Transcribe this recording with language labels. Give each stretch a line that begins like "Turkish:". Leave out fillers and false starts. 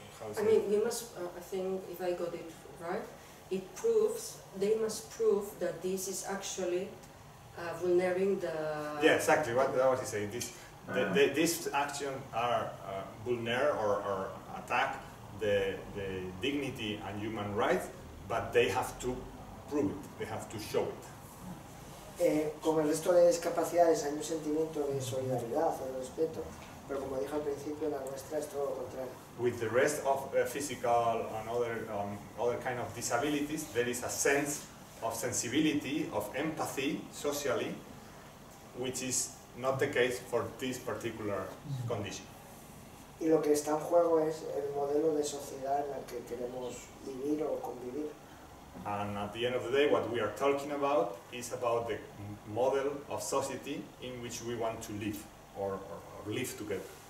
English: I think if I got it right, they must prove that this is actually vulnerable the... Yeah, exactly, what was he saying? This action are vulnerable or attack the dignity and human rights, but they have to prove it, they have to show it.
Spanish: Con el resto de discapacidades hay un sentimiento de solidaridad o de respeto. Pero como dije al principio, la nuestra es todo lo contrario.
English: With the rest of physical and other kind of disabilities, there is a sense of sensibility, of empathy, socially, which is not the case for this particular condition.
Spanish: Y lo que está en juego es el modelo de sociedad en la que queremos vivir o convivir.
English: And at the end of the day, what we are talking about is about the model of society in which we want to live live together.